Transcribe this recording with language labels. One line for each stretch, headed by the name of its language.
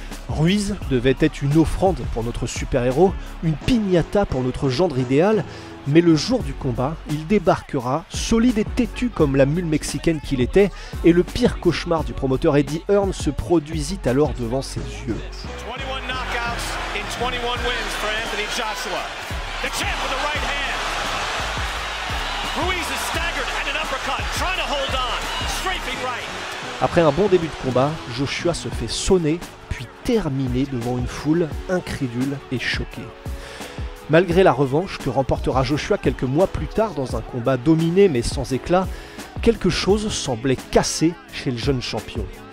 French: Ruiz devait être une offrande pour notre super-héros, une piñata pour notre gendre idéal, mais le jour du combat, il débarquera, solide et têtu comme la mule mexicaine qu'il était, et le pire cauchemar du promoteur Eddie Hearn se produisit alors devant ses yeux.
English: 21 knockouts in 21 wins for Anthony Joshua. The champ with the right hand. Ruiz is staggered and an uppercut, trying to hold on, strafing right.
French: Après un bon début de combat, Joshua se fait sonner, puis terminer devant une foule incrédule et choquée. Malgré la revanche que remportera Joshua quelques mois plus tard dans un combat dominé mais sans éclat, quelque chose semblait cassé chez le jeune champion.